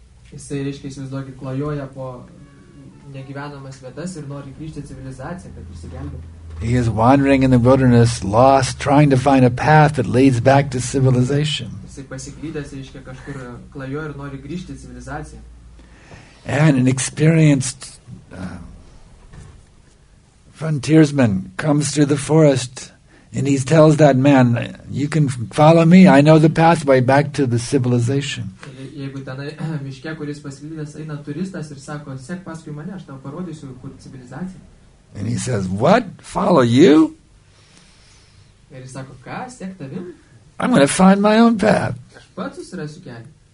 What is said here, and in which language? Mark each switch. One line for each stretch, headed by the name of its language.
Lithuanian: Jisai, reiškia, įsivaizduokit, klajoja po negyvenamas vietas ir nori grįžti į civilizaciją, kad išsigelbėtų.
English: He is wandering in the wilderness, lost, trying to find a path that leads back to civilization.
Lithuanian: Jisai pasiklydęs, reiškia, kažkur klajoja ir nori grįžti į civilizaciją.
English: And an experienced frontiersman comes through the forest and he tells that man, you can follow me, I know the pathway back to the civilization.
Lithuanian: Jeigu ten miške, kuris pasilydęs, eina turistas ir sako, sek paskui mane, aš tau parodysiu, kur civilizacija.
English: And he says, what? Follow you?
Lithuanian: Ir jis sako, ką, sek tavim?
English: I'm going to find my own path.
Lithuanian: Aš pats susirasiu kelią.